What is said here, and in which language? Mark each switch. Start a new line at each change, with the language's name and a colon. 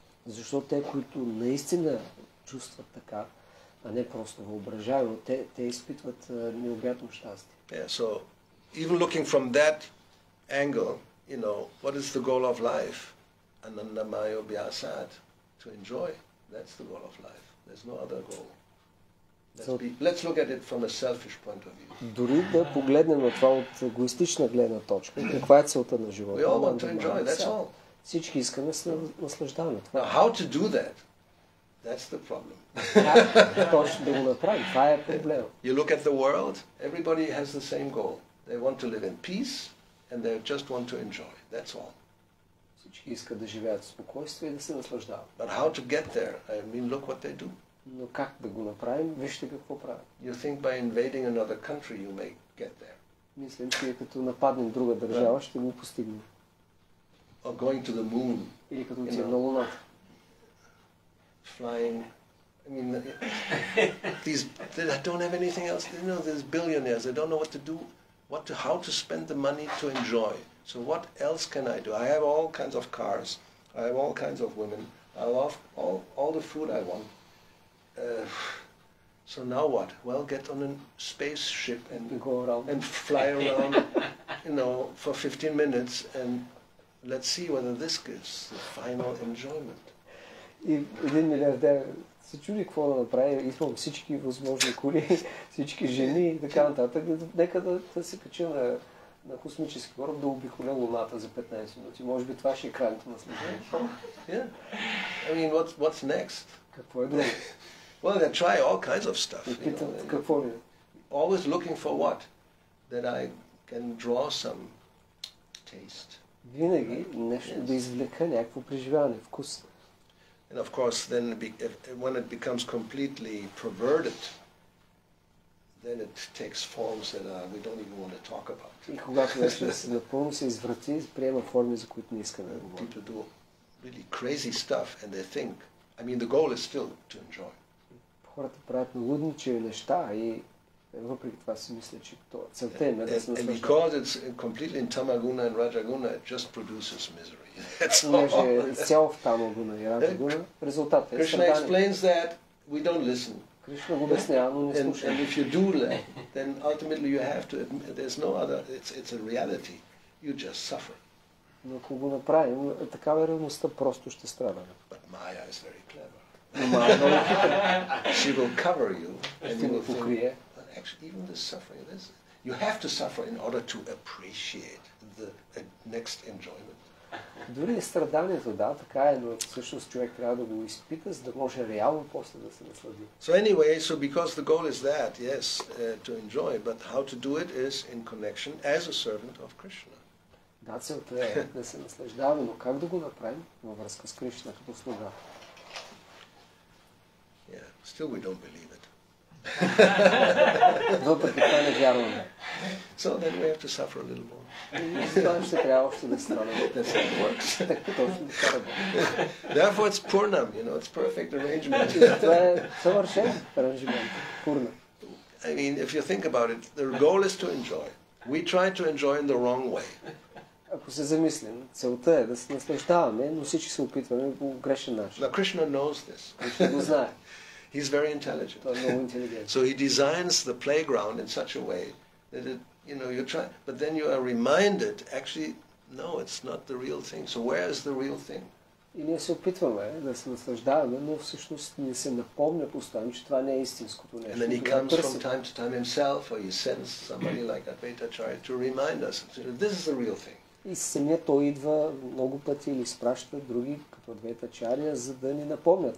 Bulgarian: Защото те, които наистина чувстват така, а не просто въображаемо, те изпитват необятно щастие.
English: Yeah, so even looking from that angle, you know, what is the goal of life? Anandamayo byasad, to enjoy. That's the goal of life. There's no other goal. Let's look at it from a selfish point of view.
Bulgarian: Дори да погледнем това от егоистична гледна точка, каква е целта на живота?
English: We all want to enjoy, that's all.
Bulgarian: Всички искаме да наслаждаваме това.
English: Now, how to do that? That's the problem.
Bulgarian: Точно да го направим, това е проблем.
English: You look at the world, everybody has the same goal. They want to live in peace and they just want to enjoy. That's all.
Bulgarian: Всички искат да живеят в спокойствие и да се наслаждават.
English: But how to get there? I mean, look what they do.
Bulgarian: Но как да го направим? Вижте какво правят.
English: You think by invading another country you may get there.
Bulgarian: Мислим, че като нападнем друга държава, ще го постигнем.
English: Or going to the moon, you know, flying. I mean, they don't have anything else. You know, these billionaires, they don't know what to do, how to spend the money to enjoy. So what else can I do? I have all kinds of cars. I have all kinds of women. I love all the food I want. So now what? Well, get on a spaceship and go around and fly around, you know, for 15 minutes and. Let's see whether this gives the final enjoyment.
Bulgarian: И един милиардер се чуди какво да направи, изпълни всички възможни коли, всички жени и така нататък. Нека да се качи на космически кораб да обиколя Луната за 15 минути. Може би това ще е крайното наслаждение.
English: Yeah. I mean, what's next?
Bulgarian: Какво е друго?
English: Well, they try all kinds of stuff.
Bulgarian: И питат какво ли?
English: Always looking for what? That I can draw some taste.
Bulgarian: Винаги нещо да извлека някакво преживяване, вкус.
English: And of course, then when it becomes completely perverted, then it takes forms that we don't even want to talk about.
Bulgarian: И когато нещо напълно се изврати, приема форми, за които не искаме да говорим.
English: People do really crazy stuff and they think, I mean, the goal is still to enjoy.
Bulgarian: Хората правят лудничеви неща и въпреки това си мисля, че целта е да се наслаждаме.
English: And because it's completely in tamaguna and rajaguna, it just produces misery. That's all.
Bulgarian: Понеже изцяло в тамагуна и раджагуна, резултатът е страдание.
English: Krishna explains that we don't listen.
Bulgarian: Кришна го обяснява, но не слушаме.
English: And if you do that, then ultimately you have to admit, there's no other, it's a reality. You just suffer.
Bulgarian: Но ако го направим, такава е реалността, просто ще страдаме.
English: But Maya is very clever.
Bulgarian: Но
English: she will cover you and you will
Bulgarian: покрие.
English: Actually, even the suffering, you have to suffer in order to appreciate the next enjoyment.
Bulgarian: Дори страданието, да, така е, но всъщност човек трябва да го изпита, за да може реално после да се наслади.
English: So anyway, so because the goal is that, yes, to enjoy, but how to do it is in connection as a servant of Krishna.
Bulgarian: Да, целта е да се наслаждаваме, но как да го направим във връзка с Кришна като слуга?
English: Yeah, still we don't believe it.
Bulgarian: Въпреки това не вярваме.
English: So then we have to suffer a little more.
Bulgarian: Ще трябва още да страдаме.
English: Therefore it's purnam, you know, it's perfect arrangement.
Bulgarian: Това е съвършен аранжимент. Пурна.
English: I mean, if you think about it, the goal is to enjoy. We try to enjoy in the wrong way.
Bulgarian: Ако се замислим, целта е да се наслаждаваме, но всички се опитваме по грешен начин.
English: Now Krishna knows this. He's very intelligent. So he designs the playground in such a way that it, you know, you try, but then you are reminded, actually, no, it's not the real thing. So where is the real thing?
Bulgarian: И ние се опитваме да се наслаждаваме, но всъщност ни се напомня постоянно, че това не е истинското нещо.
English: And then he comes from time to time himself, or he sends somebody like Advaita Acharya to remind us, this is the real thing.
Bulgarian: И самия той идва много пъти или изпраща други, като Адвайта Ачария, за да ни напомнят.